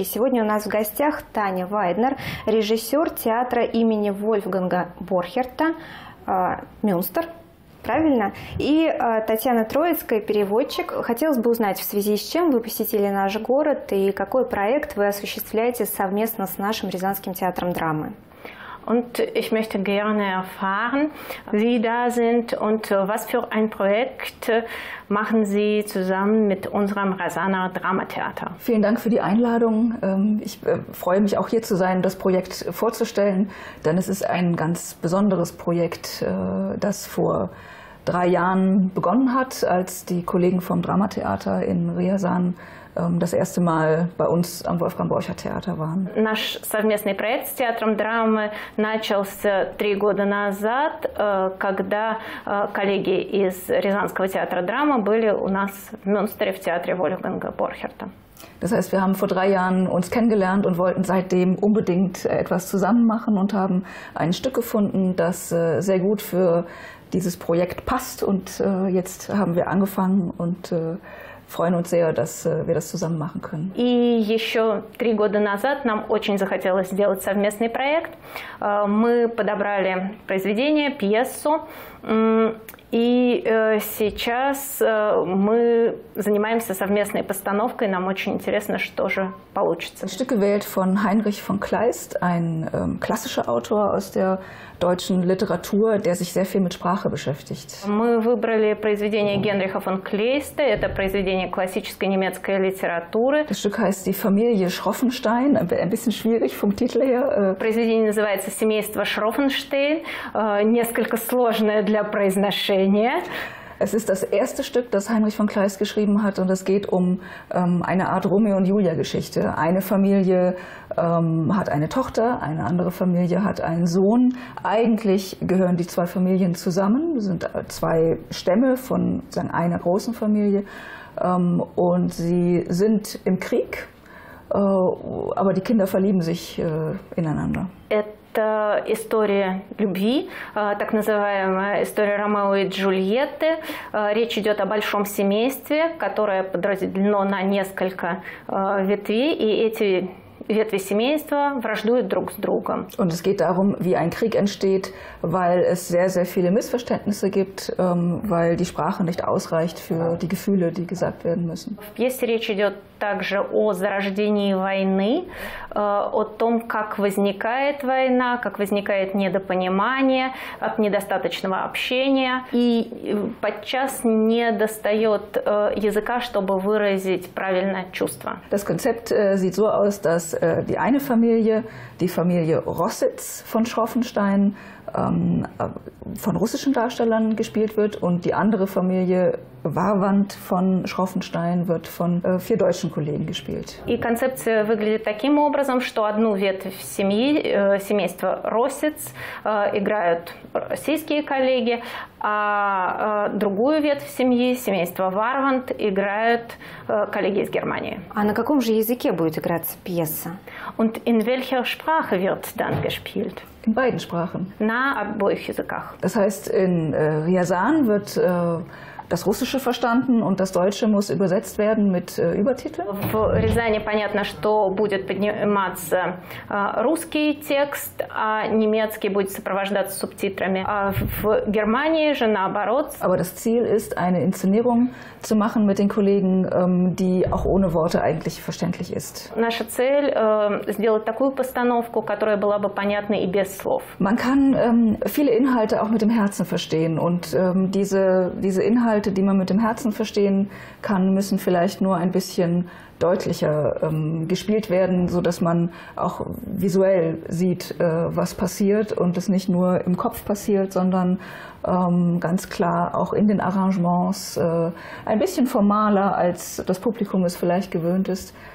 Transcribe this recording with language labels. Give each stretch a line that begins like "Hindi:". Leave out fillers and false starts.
Russian: Сегодня у нас в гостях Таня Вайднер, режиссер театра имени Вольфганга Борхерта «Мюнстер». Правильно? И Татьяна Троицкая, переводчик. Хотелось бы узнать, в связи с чем вы посетили наш город и какой проект вы осуществляете совместно с нашим Рязанским театром драмы?
German: Und ich möchte gerne erfahren, wie da sind und was für ein Projekt machen Sie zusammen mit unserem Rasaner Dramatheater. Vielen Dank für die Einladung. Ich freue mich auch hier zu sein, das Projekt vorzustellen, denn es ist ein ganz besonderes Projekt, das vor 3 Jahren begonnen hat, als die Kollegen vom Dramatheater in Riazan das erste Mal bei uns am Wolfgang-Borchert-Theater waren.
Russian: Наш совместный проект с театром драмы начался 3 года назад, когда коллеги из Рязанского театра драмы были у нас в Мюнстере в театре Вольфганга Борхерта.
German: Das heißt, wir haben vor 3 Jahren uns kennengelernt und wollten seitdem unbedingt etwas zusammen machen und haben ein Stück gefunden, das sehr gut für dieses Projekt passt. Und jetzt haben wir angefangen und freuen uns sehr, dass wir das zusammen machen können.
Russian: И еще 3 года назад нам очень захотелось сделать совместный проект. Мы подобрали произведение, пьесу, и сейчас мы занимаемся совместной постановкой. Нам очень интересно, что же получится.
German: Stück gewählt von Heinrich von Kleist, ein klassischer Autor aus der deutschen Literatur, der sich sehr viel mit Sprache beschäftigt.
Russian: Мы выбрали произведение Генриха фон Клейста. Это произведение классической немецкой литературы.
German: Das Stück heißt Die Familie Schroffenstein. Ein bisschen schwierig vom Titel her.
Russian: Произведение называется Семейство Шрофенштейн. Несколько сложное для произношения.
German: Es ist das erste Stück, das Heinrich von Kleist geschrieben hat, und es geht um eine Art Romeo und Julia-Geschichte. Eine Familie hat eine Tochter, eine andere Familie hat einen Sohn. Eigentlich gehören die 2 Familien zusammen, sind 2 Stämme von sagen, einer großen Familie, und sie sind im Krieg, aber die Kinder verlieben sich ineinander.
Russian: Это история любви, так называемая история Ромео и Джульетты. Речь идет о большом семействе, которое подразделено на несколько ветвей, и эти ветви семейства враждуют друг с другом.
German: Und es geht darum, wie ein Krieg entsteht, weil es sehr, sehr viele Missverständnisse gibt, weil die Sprache nicht ausreicht für die Gefühle, die gesagt werden müssen.
Russian: В пьесе речь идет также о зарождении войны, о том, как возникает война, как возникает недопонимание, от недостаточного общения. И подчас недостает языка, чтобы выразить правильно чувства.
German: Das Konzept sieht so aus, dass die eine Familie, die Familie Rossitz von Schroffenstein, von russischen Darstellern gespielt wird und die andere Familie Warwand von Schroffenstein wird von 4 deutschen Kollegen gespielt.
Russian: И концепция выглядит таким образом, что одну ветвь семьи, семейства Росец, играют российские коллеги, а другую ветвь семьи, семейства Варванд, играют коллеги из Германии. А на каком же языке будет играться пьеса?
German: Und in welcher Sprache wird dann gespielt? In beiden Sprachen.
Russian: На обоих языках.
German: Das heißt, in Riazan wird das Russische verstanden und das Deutsche muss übersetzt werden mit Übertiteln.
Russian: В Рязани понятно, что будет подниматься русский текст, а немецкий будет сопровождаться субтитрами. А в Германии же наоборот.
German: Aber das Ziel ist, eine Inszenierung zu machen mit den Kollegen, die auch ohne Worte eigentlich verständlich ist.
Russian: Наша цель сделать такую постановку, которая была бы понятна и без слов.
German: Man kann viele Inhalte auch mit dem Herzen verstehen und diese Inhalte, die man mit dem Herzen verstehen kann, müssen vielleicht nur ein bisschen deutlicher gespielt werden, so dass man auch visuell sieht, was passiert und es nicht nur im Kopf passiert, sondern ganz klar auch in den Arrangements ein bisschen formaler, als das Publikum es vielleicht gewöhnt ist.